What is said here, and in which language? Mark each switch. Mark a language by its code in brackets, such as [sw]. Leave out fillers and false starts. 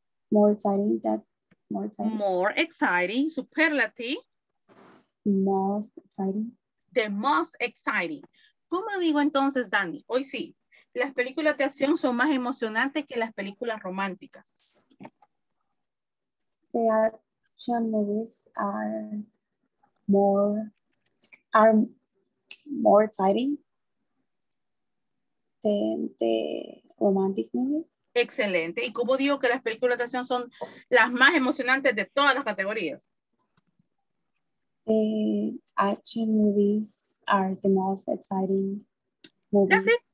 [en] More exciting. Superlative. Most exciting. The most exciting. [es] ¿Cómo digo entonces, Dani? Hoy sí, las películas de acción son más emocionantes que las películas románticas. [en] The action movies are more exciting than the romantic movies. [es] Excelente. ¿Y cómo digo que las películas de acción son las más emocionantes de todas las categorías? [en] The action movies are the most exciting movies.